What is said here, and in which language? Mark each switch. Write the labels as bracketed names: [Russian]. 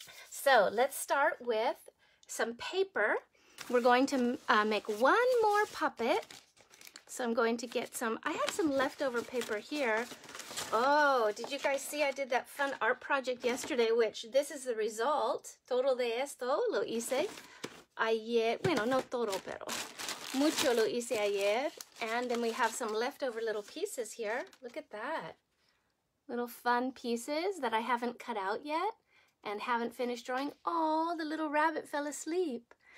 [English] So let's start with some paper. We're going to make one more puppet. So I'm going to get some, I had some leftover paper here. Oh, did you guys see I did that fun art project yesterday, which this is the result. [Spanish] Todo de esto lo hice ayer. Bueno, no todo, pero mucho lo hice ayer. [English] And then we have some leftover little pieces here. Look at that. Little fun pieces that I haven't cut out yet and haven't finished drawing. Oh, the little rabbit fell asleep.